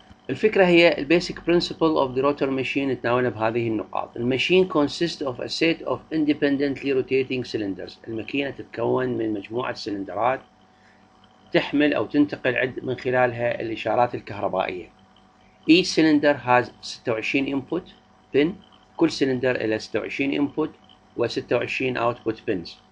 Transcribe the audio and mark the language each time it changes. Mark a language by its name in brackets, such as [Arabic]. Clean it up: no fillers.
[English] الفكره هي البيسك principle of the rotor machine [Arabic] تناولها بهذه النقاط. [English] الماشين consist of a set of independently rotating cylinders, [Arabic] الماكينه تتكون من مجموعه سلندرات تحمل او تنتقل عد من خلالها الاشارات الكهربائيه. [English] Each cylinder has 26 input pin. [Arabic] كل سلندر له 26 input و 26 output pins.